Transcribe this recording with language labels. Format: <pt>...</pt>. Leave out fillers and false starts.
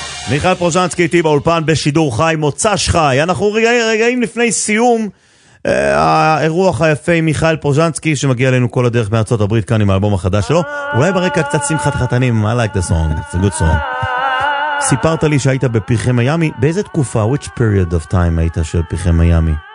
<he>מיכאל פרוז'נסקי איתי באולפן בשידור חי, מוצ"ש חי. אנחנו רגעים לפני סיום האירוח היפה עם מיכאל פרוז'נסקי שמגיע אלינו כל הדרך מארצות הברית כאן עם האלבום החדש שלו. אולי ברקע קצת שמחת חתנים,</he> <en>I like the song, it's a good song.</en> <he>סיפרת לי שהיית בפרחי מיאמי, באיזה תקופה,</he> <en>which period of time</en> <he>היית של פרחי מיאמי?</he>